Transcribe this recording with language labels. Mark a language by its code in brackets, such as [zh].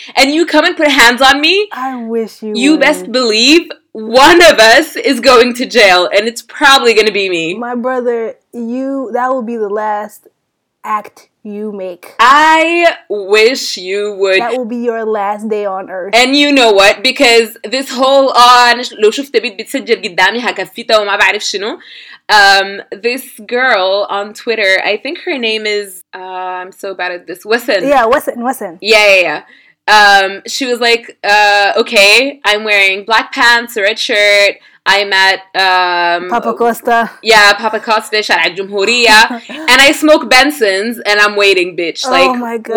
[en] And you come and put hands on me? I wish you You would. Best believe one of us is going to jail. And it's probably going to be me. My brother, you... That will be the last act you make. I wish you would. That will be your last day on earth. And you know what? Because this whole, [ar] لو شفت بيت بتسجل قدامي هكفيته وما بعرف شنو. [en] This girl on Twitter, I think her name is, I'm so bad at this, Wesson. Yeah, Wesson. Yeah. She was like, okay, I'm wearing black pants, a red shirt, I'm at, Papa Costa. Yeah, Papa Costa, شارع الجمهورية, and I smoke Benson's, and I'm waiting, bitch. Like, oh my God.